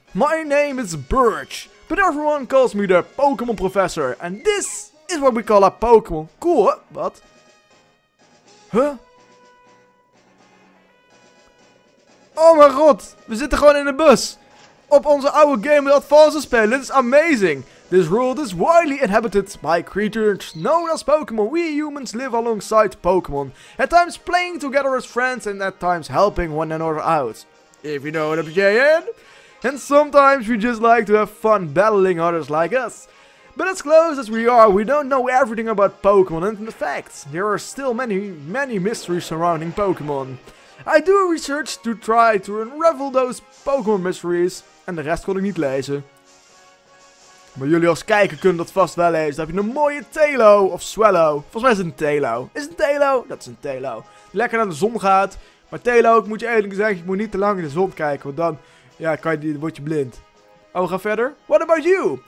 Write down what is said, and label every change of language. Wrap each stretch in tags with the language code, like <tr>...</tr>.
<en>My name is Birch. But everyone calls me the Pokémon Professor. And this is what we call a Pokémon. Cool, hè? Wat? Huh?</en> <nl>Oh mijn god, we zitten gewoon in de bus. Op onze oude Game of Advance spelen.</nl> <en>This is amazing. This world is widely inhabited by creatures known as Pokémon. We humans live alongside Pokémon. At times playing together as friends and at times helping one another out. If you know what I'm saying. And sometimes we just like to have fun battling others like us. But as close as we are, we don't know everything about Pokémon. And in fact, there are still many, many mysteries surrounding Pokémon. I do research to try to unravel those Pokémon mysteries.</en> <nl>En de rest kon ik niet lezen. Maar jullie als kijker kunnen dat vast wel lezen. Dan heb je een mooie Talo of Swallow. Volgens mij is het een Talo. Is het een Talo? Dat is een Talo. Lekker naar de zon gaat. Maar Talo, ik moet je eerlijk zeggen, je moet niet te lang in de zon kijken. Want dan, ja, dan word je blind. Oh, we gaan verder.</nl> <en>What about you?</en>